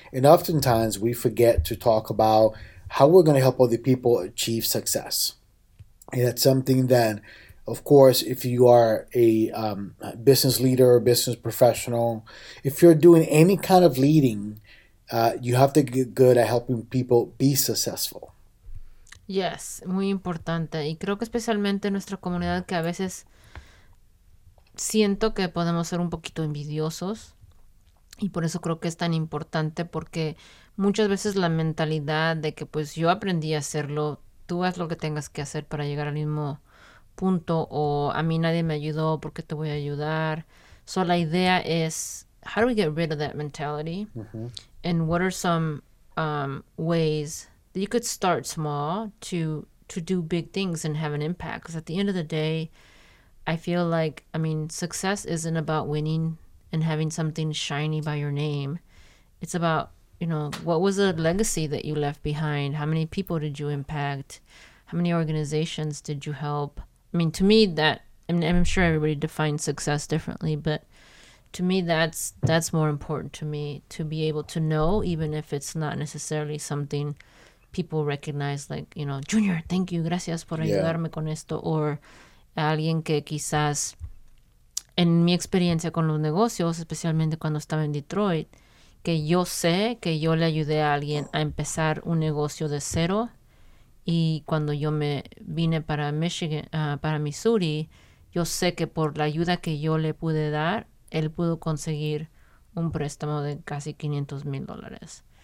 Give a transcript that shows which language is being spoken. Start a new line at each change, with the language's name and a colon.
English: And oftentimes we forget to talk about how we're going to help other people achieve success. And that's something that, of course, if you are a business leader or business professional, if you're doing any kind of leading, you have to get good at helping people be successful.
Spanish: Yes, muy importante. Y creo que especialmente en nuestra comunidad que a veces siento que podemos ser un poquito envidiosos. Y por eso creo que es tan importante, porque muchas veces la mentalidad de que pues yo aprendí a hacerlo, tú haz lo que tengas que hacer para llegar al mismo punto, o a mí nadie me ayudó, ¿por qué te voy a ayudar?
English: So
Spanish: la idea es,
English: how do we get rid of that mentality? Uh-huh. And what are some ways you could start small to do big things and have an impact. Because at the end of the day, I feel like, I mean, success isn't about winning and having something shiny by your name. It's about, you know, what was the legacy that you left behind? How many people did you impact? How many organizations did you help? I mean, to me, that, I mean, I'm sure everybody defines success differently, but to me, that's more important to me, to be able to know, even if it's not necessarily something people recognize, like, you know, Junior, thank you,
Spanish: gracias por ayudarme con esto. Or alguien que quizás, en mi experiencia con los negocios, especialmente cuando estaba en Detroit, que yo sé que yo le ayudé a alguien a empezar un negocio de cero. Y cuando yo me vine para Michigan, para Missouri, yo sé que por la ayuda que yo le pude dar, él pudo conseguir un préstamo de casi $500,000.